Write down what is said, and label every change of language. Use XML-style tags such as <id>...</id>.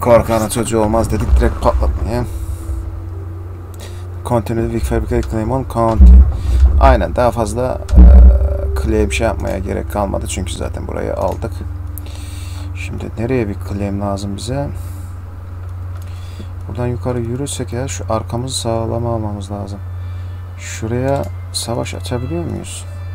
<tr>Korkanın çocuğu olmaz dedik direkt patlatmayayım.</tr> <en>Continue with fabricate claim on county.</en> <tr>Aynen daha fazla claim şey yapmaya gerek kalmadı çünkü zaten burayı aldık. Şimdi nereye bir claim lazım bize? Buradan yukarı yürürsek ya şu arkamızı sağlama almamız lazım. Şuraya savaş açabiliyor muyuz?</tr>